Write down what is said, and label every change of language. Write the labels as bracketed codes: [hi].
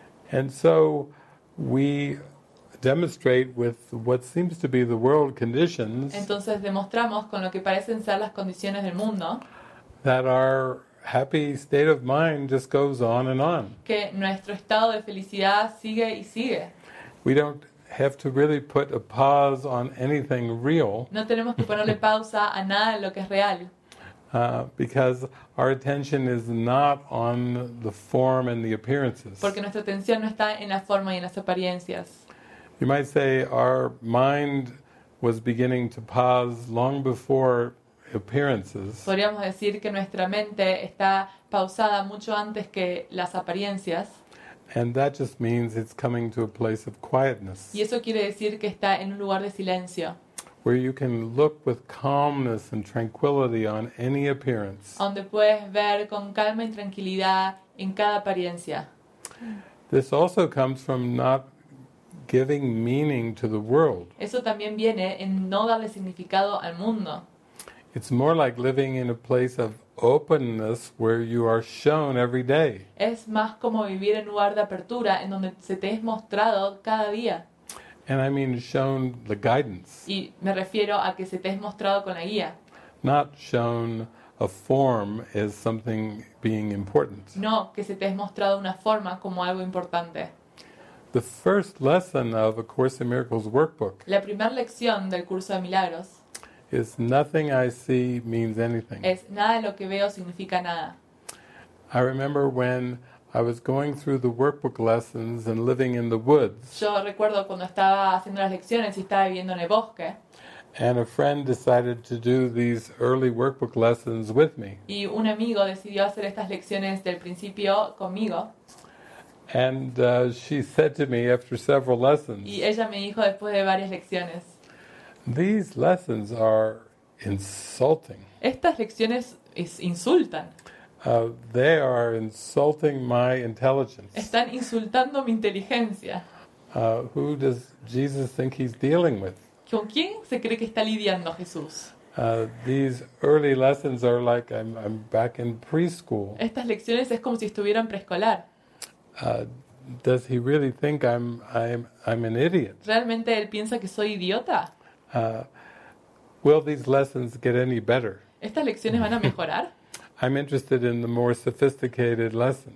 [en] And so we demonstrate with what seems to be the world conditions. [es] Entonces demostramos con lo que parecen ser las condiciones del mundo. [en] That our happy state of mind just goes on and on. [es] Que nuestro estado de felicidad sigue y sigue. [en] We don't have to really put a pause on anything real. [es] No tenemos que ponerle pausa a nada en lo que es real. [en] Because our attention is not on the form and the appearances. [es] Porque nuestra atención no está en la forma y en las apariencias. [en] You might say our mind was beginning to pause long before appearances. [es] Podríamos decir que nuestra mente está pausada mucho antes que las apariencias. [en] And that just means it's coming to a place of quietness. [es] Y eso quiere decir que está en un lugar de silencio. [en] Where you can look with calmness and tranquility on any appearance. [es] Donde puedes ver con calma y tranquilidad en cada apariencia. [en] This also comes from not giving meaning to the world. [es] Eso también viene en no darle significado al mundo. [en] It's more like living in a place of openness where you are shown every day. [es] Es más como vivir en un lugar de apertura en donde se te es mostrado cada día. [en] And I mean shown the guidance. [es] Y me refiero a que se te es mostrado con la guía. [en] Not shown a form as something being important. [es] No, que se te es mostrado una forma como algo importante. [en] The first lesson of A Course in Miracles workbook. [es] La primera lección del curso de milagros. [en] Is nothing I see means anything. [es] Es nada lo que veo significa nada. [en] I remember when I was going through the workbook lessons and living in the woods. [es] Yo recuerdo cuando estaba haciendo las lecciones y estaba viviendo en el bosque. [en] And a friend decided to do these early workbook lessons with me. [es] Y un amigo decidió hacer estas lecciones del principio conmigo. [en] And she said to me after several lessons. [es] Y ella me dijo después de varias lecciones. [en] These lessons are insulting. [es] Estas lecciones insultan. [en] They are insulting my intelligence. [es] Están insultando mi inteligencia. [en] Who does Jesus think he's dealing with? [es] ¿Con quién se cree que está lidiando Jesús? [en] These early lessons are like I'm back in preschool. [es] Estas lecciones es como si estuviera en preescolar. [en] Does he really think I'm an idiot? [es] ¿Realmente él piensa que soy idiota? [en] Will these lessons get any better? [es] ¿Estas lecciones van a mejorar? [en] I'm interested in the more sophisticated lessons.